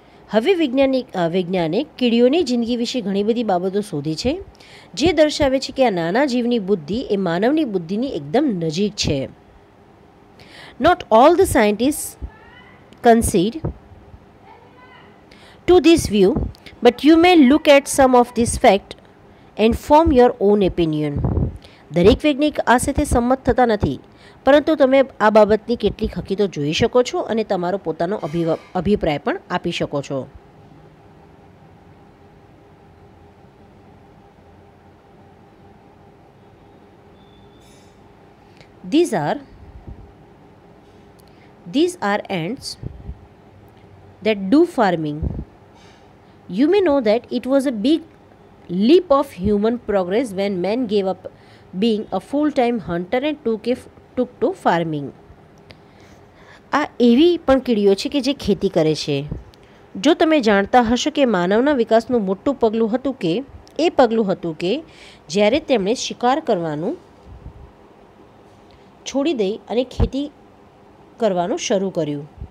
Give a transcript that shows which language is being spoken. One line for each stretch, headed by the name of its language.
Gujarati: હવે વૈજ્ઞાનિક કીડીઓની જિંદગી વિશે ઘણી બધી બાબતો શોધી છે જે દર્શાવે છે કે આ નાના જીવની બુદ્ધિ એ માનવની બુદ્ધિની એકદમ નજીક છે.
English: Not all the scientists concede to this view, but you may look at some of this fact and form your own opinion.
Gujarati: દરેક વૈજ્ઞાનિક આ સાથે સંમત થતા નથી, પરંતુ તમે આ બાબતની કેટલીક હકીકતો જોઈ શકો છો અને તમારો પોતાનો અભિપ્રાય પણ આપી શકો છો.
English: These are ants that do farming. You may know that it was a big leap of human progress when man gave up being a full-time hunter and took to farming.
Gujarati: આ એવી પણ કીડીઓ છે કે જે ખેતી કરે છે. જો તમે જાણતા હશો કે માનવના વિકાસનું મોટું પગલું હતું કે એ પગલું હતું કે જ્યારે તેમણે શિકાર કરવાનું છોડી દઈ અને ખેતી કરવાનું શરૂ કર્યું.